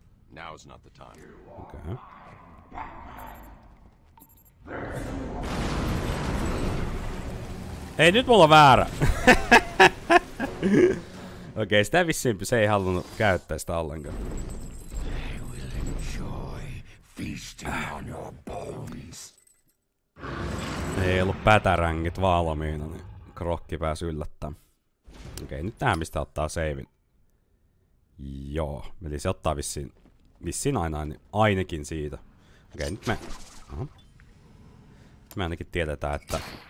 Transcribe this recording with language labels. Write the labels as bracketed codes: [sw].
[en] Now is not the time. Okay. [fi] Ei, nyt mulla on väärä. Okei, sitä vissiin se ei halunnut käyttää sitä ollenkaan. [en] They will enjoy feasting on your bones. [fi] Ei ollut pätärängit valmiina, niin krokki pääsi yllättämään. Okei, nyt tähän mistä ottaa savein. Joo, eli se ottaa vissiin ainakin siitä. Okei, nyt me... Aha. Me ainakin tiedetään, että...